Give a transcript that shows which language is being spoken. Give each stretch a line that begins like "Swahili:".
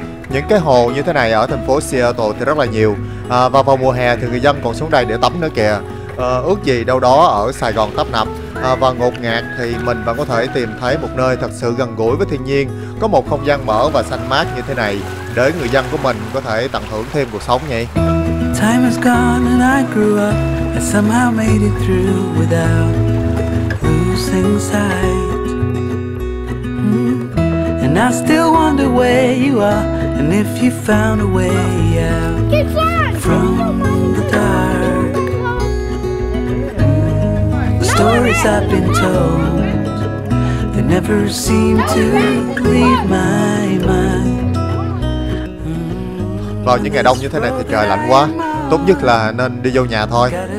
Vietnamese: Những cái hồ như thế này ở thành phố Seattle thì rất là nhiều. Và vào mùa hè thì người dân còn xuống đây để tắm nữa kìa. Ước gì đâu đó ở Sài Gòn tấp nập và ngột ngạt thì mình vẫn có thể tìm thấy một nơi thật sự gần gũi với thiên nhiên, có một không gian mở và xanh mát như thế này để người dân của mình có thể tận hưởng thêm cuộc sống nhỉ.
English: Time has gone and I grew up and somehow made it through without losing sight. And I still wonder where you are and if you found a way out from the dark. The stories I've been told, they never seem to leave my mind.
Vietnamese: Vào những ngày đông như thế này thì trời lạnh quá, tốt nhất là nên đi vô nhà thôi.